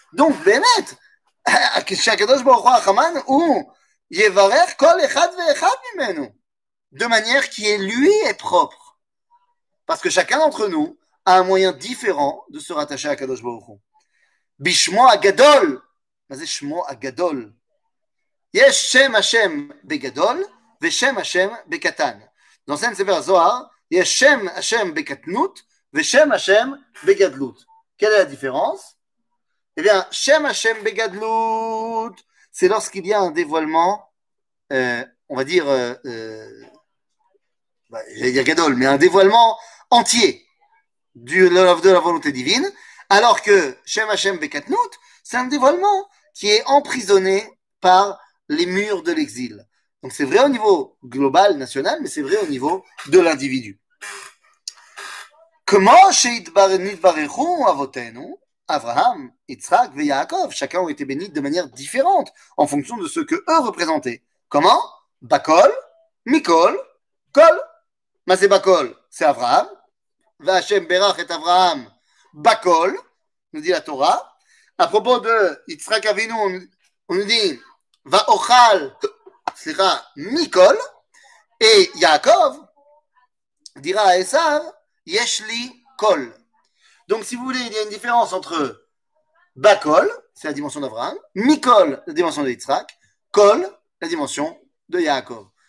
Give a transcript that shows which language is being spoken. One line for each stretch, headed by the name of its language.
French: Donc, Bémet, Shakadosh Baruch Hu Haman, ou Yevarer Kol Echad Ve'Echad Mimenu, de manière qui est lui est propre. Parce que chacun d'entre nous a un moyen différent de se rattacher à Kadosh Baruch Hu. Bishmo Agadol, Bazé Shmo Agadol,
Hebrew: יש שם השם בגדול ושם השם בקטן. נוסן ספר הזוהר, יש שם השם בקטנות ושם השם בגדלות.
French: Quelle est la différence? Eh bien, Shem Hashem Begadlut, c'est lorsqu'il y a un dévoilement, on va dire, j'allais dire Gadol, mais un dévoilement entier de la volonté divine, alors que Shem Hashem Bekatnut, c'est un dévoilement qui est emprisonné par les murs de l'exil. Donc c'est vrai au niveau global, national, mais c'est vrai au niveau de l'individu.
Hebrew: כמו שנתברכו אבותינו,
French: אברהם, יצחק ויעקב, chacun ont été bénis de manière différente, en fonction de ce que eux représentaient. Comment? Bakol, Mikol, Kol.
Hebrew: מה זה
French: Bakol? C'est Abraham.
Hebrew: והשם ברך את Abraham.
French: Bakol, nous dit la Torah. À propos de יצחק אבינו, on nous dit,
Hebrew: ואוכל, סליחה,
French: Mikol. Et Yaakov dira à Esav, Yeshli Kol. Donc, si vous voulez, il y a une différence entre Bakol, c'est la dimension d'Abraham, Mikol, la dimension de Yitzhak, Kol, la dimension de Yaakov.